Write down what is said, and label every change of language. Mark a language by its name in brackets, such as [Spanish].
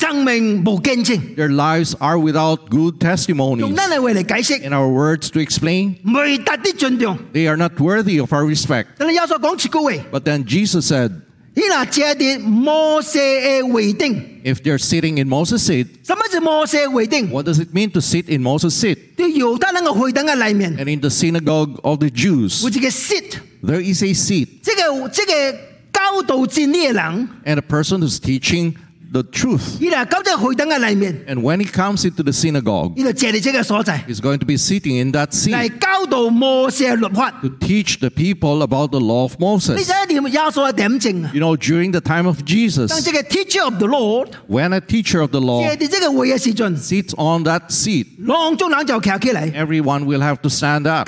[English] Their lives are without good testimonies. In our words to explain, they are not worthy of our respect. But then Jesus said, if they're sitting in Moses' seat, [Chinese] 什么是摩西的会定? [English] What does it mean to sit in Moses' seat? [Chinese] 在犹太人的会堂的里面, [English] and in the synagogue of the Jews, [Chinese] 有一个 seat, [English] there is a seat. [Chinese] 这个教导真理的人, [English] and a person who's teaching the truth. [Chinese] 他来到这个会堂的里面, [English] and when he comes into the synagogue, [Chinese] 他就坐在这个所在, [English] he's going to be sitting in that seat [Chinese] 来教导摩西的律法, [English] to teach the people about the law of Moses. You know, during the time of Jesus, of the Lord, when a teacher of the law sits on that seat, everyone will have to stand up.